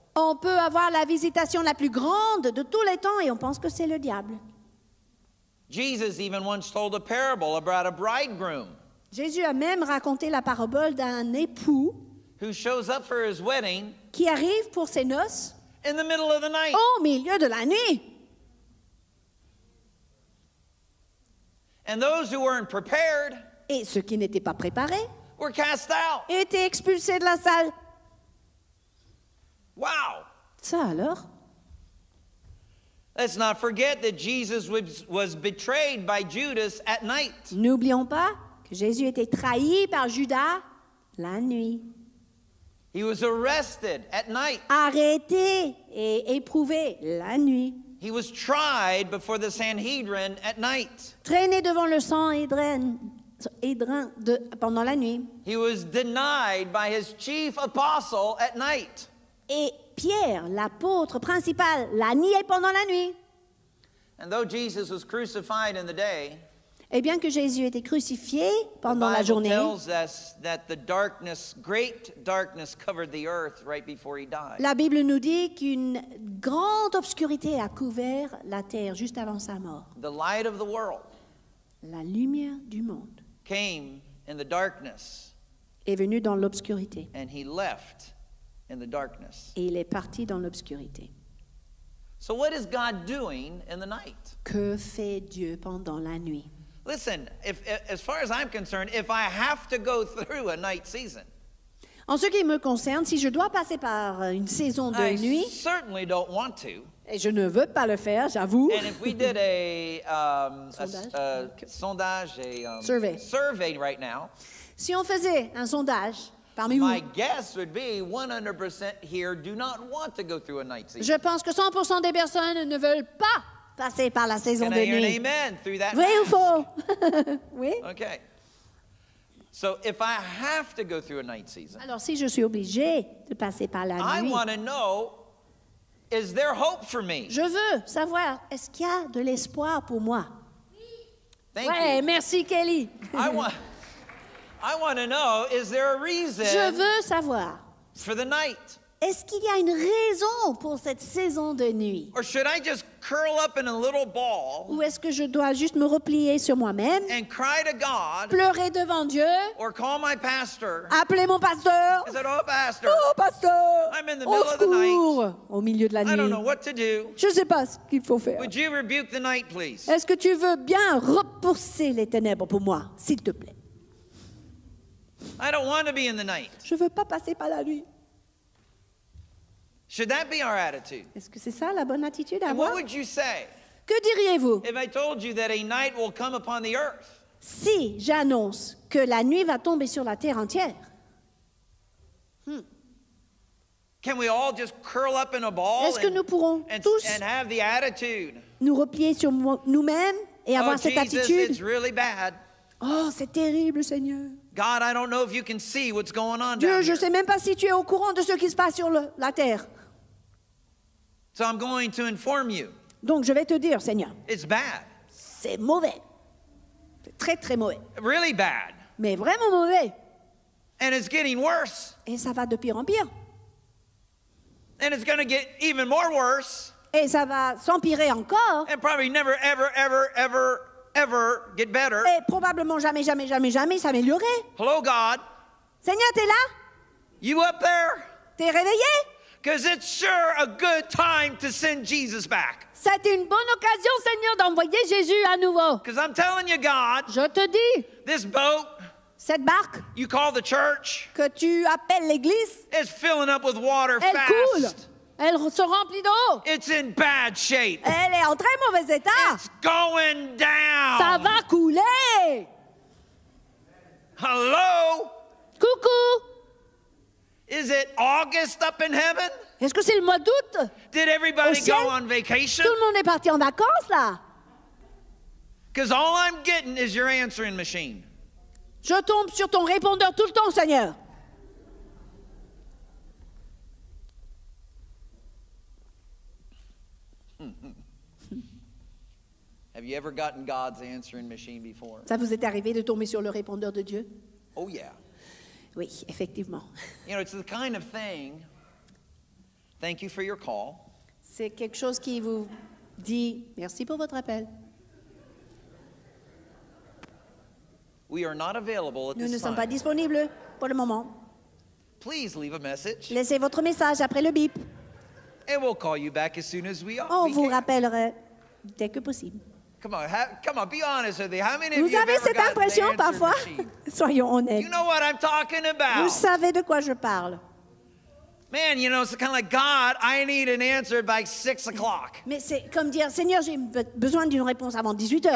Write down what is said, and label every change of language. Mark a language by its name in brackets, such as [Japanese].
[French] On peut avoir la visitation la plus grande de tous les temps et on pense que c'est le diable. [English] Jesus even once told a parable about a bridegroom. [French] Jésus a même raconté la parabole d'un époux [English] who shows up for his wedding [French] qui arrive pour ses noces [English] in the middle of the night. [French] Au milieu de la nuit. [English] And those who weren't prepared [French] et ceux qui n'étaient pas préparés [English] were cast out. [French] Étaient expulsés de la salle. [English] Wow! [French] Ça alors? [English] Let's not forget that Jesus was betrayed by Judas at night. [French] N'oublions pas que Jésus a été trahi par Judas la nuit. [English] He was arrested at night. [French] Arrêté et éprouvé la nuit. [English] He was tried before the Sanhedrin at night. [French] Traîné devant le Sanhédrin pendant la nuit. [English] He was denied by his chief apostle at night. [French] Et Pierre, l'apôtre principal, l'a nié pendant la nuit. [English] And though Jesus was crucified in the day, [French] et bien que Jésus était crucifié pendant la journée, [English] the Bible tells us that the darkness, great darkness, covered the earth right before he died. [French] La Bible nous dit qu'une grande obscurité a couvert la terre juste avant sa mort. [English] The light of the world, [French] la lumière du monde, [English] came in the darkness, [French] est venu dans l'obscurité, [English] and he left in the darkness. [French] Et il est parti dans l'obscurité. [English] So what is God doing in the night? [French] Que fait Dieu pendant la nuit? [English] Listen, as far as I'm concerned, if I have to go through a night season, [French] en ce qui me concerne, si je dois passer par une saison de [English] I [French] nuit, [English] I certainly don't want to. [French] Et je ne veux pas le faire, j'avoue. [English] And if we did a survey right now, [French] si on faisait un sondage parmi [English] my [French] vous, [English] my guess would be 100% here do not want to go through a night season. [French] Je pense que 100% des personnes ne veulent pas passer par la saison de nuit. [English] Can I hear an amen through that? [French] Oui ou faux? Oui. [English] Okay. So if I have to go through a night season, [French] alors si je suis obligé de passer par la nuit, [English] I want to know, is there hope for me? [French] Je veux savoir, est-ce qu'il y a de l'espoir pour moi? Oui. [English] Thank you. [French] Merci Kelly. [English] I want to know, is there a reason? [French] Je veux savoir. [English] For the night. [French] Est-ce qu'il y a une raison pour cette saison de nuit? [English] Or should I just curl up in a little ball? [French] Ou est-ce que je dois juste me replier sur moi-même? [English] And cry to God? [French] Pleurer devant Dieu? [English] Or call my pastor? [French] Appeler mon pasteur? [English] Is it all pastor? [French] Oh pasteur! [English] I'm in the middle of the night. [French] Au milieu de la nuit. [English] I don't know what to do. [French] Je ne sais pas ce qu'il faut faire. [English] Would you rebuke the night, please? [French] Est-ce que tu veux bien repousser les ténèbres pour moi, s'il te plaît? [English] I don't want to be in the night. [French] Je veux pas passer par la nuit. [English] Should that be our attitude? [French] Est-ce que c'est ça la bonne attitude à avoir? [English] What would you say? [French] Que diriez-vous? [English] If I told you that a night will come upon the earth. [French] Si j'annonce que la nuit va tomber sur la terre entière. [English] Can we all just curl up in a ball? [French] Est-ce que nous pourrons tous [English] and have the attitude? [French] Nous replier sur nous-mêmes et avoir oh, cette [English] Jesus, [French] attitude? [English] It's really bad. [French] Oh, c'est terrible, Seigneur. [English] God, I don't know if you can see what's going on. [French] Dieu, [English] down [French] je sais même pas si tu es au courant de ce qui se passe sur la terre. [English] So I'm going to inform you. [French] Donc je vais te dire, Seigneur. [English] It's bad. [French] C'est mauvais. C'est très très mauvais. [English] Really bad. [French] Mais vraiment mauvais. [English] And it's getting worse. [French] Et ça va de pire en pire. [English] And it's going to get even more worse. [French] Et ça va s'empirer encore. [English] And probably never ever ever ever ever get better. [French] Et probablement jamais, jamais, jamais, jamais s'améliorer. [English] Hello, God. [French] Seigneur, t'es là? [English] You up there? [French] T'es réveillé? [English] Because it's sure a good time to send Jesus back. [French] C'est une bonne occasion, Seigneur, d'envoyer Jésus à nouveau. [English] Because I'm telling you, God. [French] Je te dis. [English] This boat. [French] Cette barque. [English] You call the church. [French] Que tu appelles l'église. [English] Is filling up with water [French] elle [English] fast. [French] Coule. Elle se remplit d'eau. [English] It's in bad shape. [French] Elle est en très mauvais état. [English] It's going down. [French] Ça va couler. [English] Hello. [French] Coucou. [English] Is it August up in heaven? [French] Est-ce que c'est le mois d'août? [English] Did everybody [French] au ciel? [English] Go on vacation? [French] Tout le monde est parti en vacances là. [English] Because all I'm getting is your answering machine. [French] Je tombe sur ton répondeur tout le temps, Seigneur. [English] Have you ever gotten God's answering machine before? [French] Ça vous est arrivé de tomber sur le répondeur de Dieu? [English] Oh yeah. [French] Oui, effectivement. [English] You know, it's the kind of thing. Thank you for your call. [French] C'est quelque chose qui vous dit merci pour votre appel. [English] We are not available at [French] nous Nous ne sommes pas disponibles pour le moment. [English] Please leave a message. [French] Laissez votre message après le beep. [English] And we'll call you back as soon as we are. [French] On vous rappellera dès que possible. [English] Come on, be honest with me. How many [French] vous [English] of you [French] avez cette impression parfois? Soyons honnêtes. [English] You know what I'm talking about. [French] Vous savez de quoi je parle. [English] Man, you know, it's kind of like, God, I need an answer by 6 o'clock. [French] Mais c'est comme dire, Seigneur, j'ai besoin d'une réponse avant 18 heures.